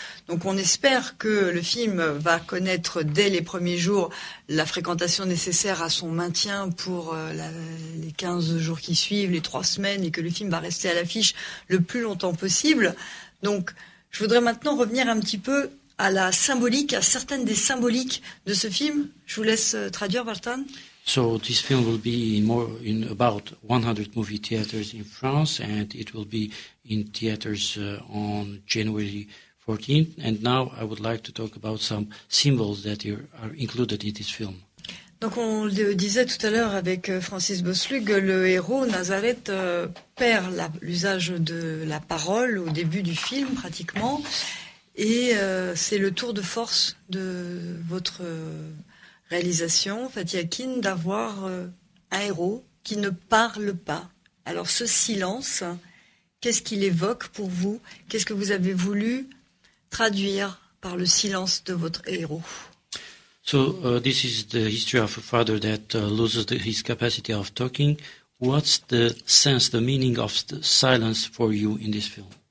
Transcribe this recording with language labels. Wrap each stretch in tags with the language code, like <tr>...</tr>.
<fr>Donc on espère que le film va connaître dès les premiers jours la fréquentation nécessaire à son maintien pour les 15 jours qui suivent, les 3 semaines, et que le film va rester à l'affiche le plus longtemps possible. Donc je voudrais maintenant revenir un petit peu à la symbolique, à certaines des symboliques de ce film. Je vous laisse traduire, Valtan.</fr> <en>So this film will be in about 100 movie theaters in France, and it will be in theaters on January 14th. And now I would like to talk about some symbols that are included in this film.</en> <fr>Donc on le disait tout à l'heure avec Francis Bosslug, le héros Nazareth perd l'usage de la parole au début du film pratiquement, et c'est le tour de force de votre réalisation, Fatih Akin, d'avoir un héros qui ne parle pas. Alors ce silence, qu'est-ce qu'il évoque pour vous? Qu'est-ce que vous avez voulu traduire par le silence de votre héros?</fr> <en>So this is the history of a father that loses his capacity of talking. What's the sense, the meaning of the silence for you in this film?</en>